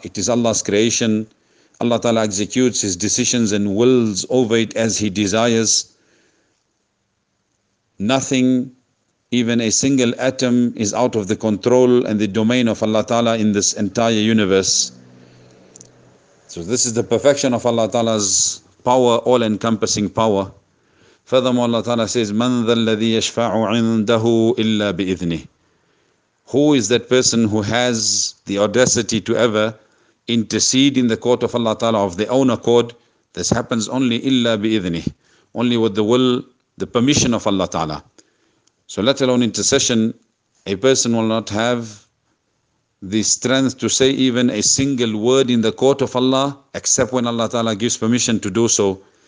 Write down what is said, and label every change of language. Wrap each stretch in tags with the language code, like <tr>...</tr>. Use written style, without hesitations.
<en>It is Allah's creation. Allah Ta'ala executes his decisions and wills over it as he desires. Nothing, even a single atom, is out of the control and the domain of Allah Ta'ala in this entire universe. So this is the perfection of Allah Ta'ala's power, all-encompassing power. Furthermore, Allah Ta'ala says,</en> <ar>مَنْ ذَا الَّذِي يَشْفَعُ عِنْدَهُ إِلَّا بِإِذْنِهِ.</ar> <en>Who is that person who has the audacity to ever intercede in the court of Allah Ta'ala of their own accord? This happens only</en> <ar>إِلَّا بِإِذْنِهِ,</ar> <en>only with the will, the permission of Allah Ta'ala. So let alone intercession, a person will not have the strength to say even a single word in the court of Allah, except when Allah Ta'ala gives permission to do so.</en>